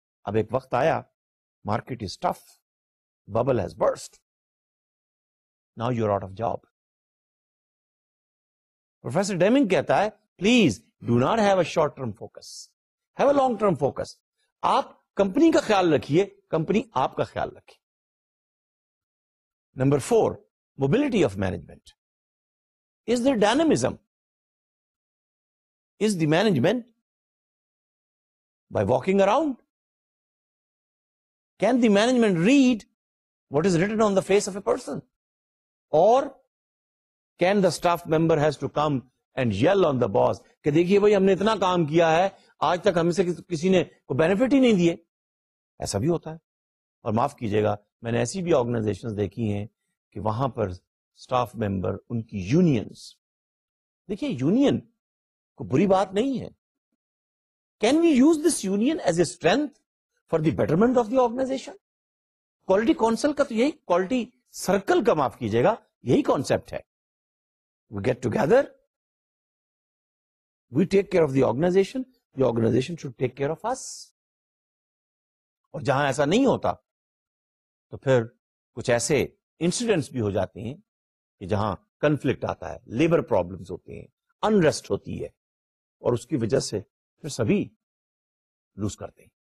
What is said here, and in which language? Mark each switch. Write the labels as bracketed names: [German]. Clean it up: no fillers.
[Urdu] اب ایک وقت آیا, [English] Market is tough, bubble has burst, now you are out of job. [Urdu] Professor Deming کہتا ہے [English] Please do not have a short term focus, have a long term focus. [Urdu] آپ company کا خیال رکھیے, کمپنی آپ کا خیال رکھے. [English] Number 4, mobility of management, is there dynamism, is the management by walking around, can the management read what is written on the face of a person? Or can the staff member has to come and yell on the boss, [Urdu] کہ دیکھئے بھئی ہم نے اتنا کام کیا ہے آج تک ہم سے کسی نے کوئی بینیفٹ ہی نہیں دیے. ایسا بھی ہوتا ہے. اور معاف کیجئے گا, میں نے ایسی بھی آرگنائزیشن دیکھی ہیں کہ وہاں پر اسٹاف ممبر ان کی یونینز, دیکھیے یونین کو بری بات نہیں ہے. [English] Can we use this union as a strength for the betterment of the organisation? [Urdu] Quality council کا تو یہی, کوالٹی سرکل کا معاف کیجئے گا, یہی کانسیپٹ ہے. [English] We get together, we take care of the organisation, the organisation should take care of us. [Urdu] اور جہاں ایسا نہیں ہوتا تو پھر کچھ ایسے انسیڈنٹس بھی ہو جاتے ہیں کہ جہاں کنفلکٹ آتا ہے, لیبر پرابلمز ہوتے ہیں, انریسٹ ہوتی ہے, اور اس کی وجہ سے پھر سبھی لوز کرتے ہیں.